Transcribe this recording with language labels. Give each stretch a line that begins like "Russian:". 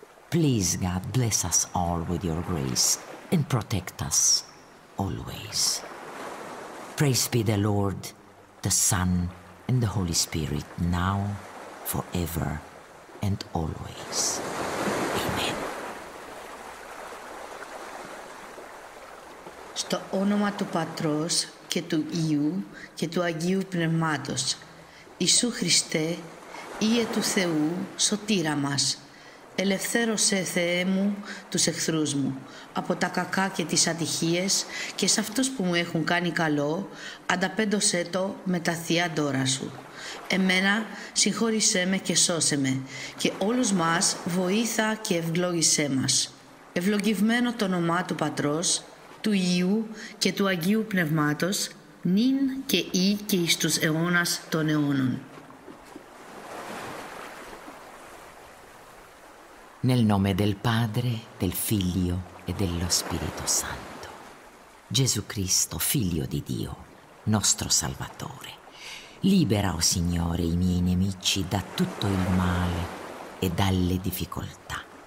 English: Please, God, bless us all with your grace and protect us always. Praise be the Lord, the Son, and the Holy Spirit, now, forever, and always. Amen.
Greek: Στο όνομα του Πατρός και του Υιού και του Αγίου Πνευμάτος, Ιησού Χριστέ, Υιέ του Θεού, σωτήρα μας, ελευθέρωσε, Θεέ μου, τους εχθρούς μου από τα κακά και τις ατυχίες και σε αυτούς που μου έχουν κάνει καλό, ανταπέντωσέ το με τα Θεία δώρα Σου. Εμένα συγχώρησέ με και σώσε με και όλους μας βοήθα και ευλόγησέ μας. Ευλογημένο το όνομά του Πατρός, του Υιού και του Αγίου Πνευμάτος, νυν και ή και εις τους αιώνας των αιώνων.
Italian: Nel nome del Padre, del Figlio e dello Spirito Santo. Gesù Cristo, Figlio di Dio, nostro Salvatore, libera, o Signore, i miei nemici da tutto il male e dalle difficoltà.